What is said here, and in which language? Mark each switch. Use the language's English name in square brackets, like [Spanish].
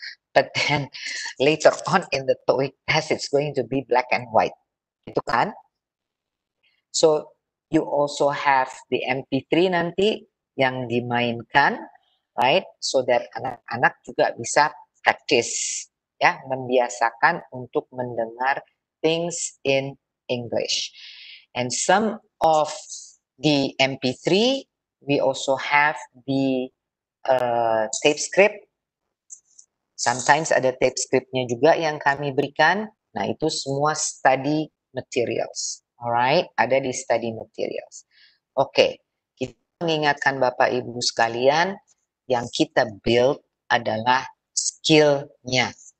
[English] But then later on in the TOEIC test, it's going to be black and white. [Indonesian] Itu kan? [English] So you also have the MP3 [Indonesian] nanti yang dimainkan, [English] right? So that [Indonesian] anak-anak juga bisa practice. Ya, membiasakan untuk mendengar [English] things in English. And some of the MP3, we also have the tape script [Indonesian] Sometimes ada tape scriptnya juga yang kami berikan. Nah, itu semua study materials. Alright, ada di study materials. Oke, kita mengingatkan Bapak Ibu sekalian, yang kita build adalah skill-nya.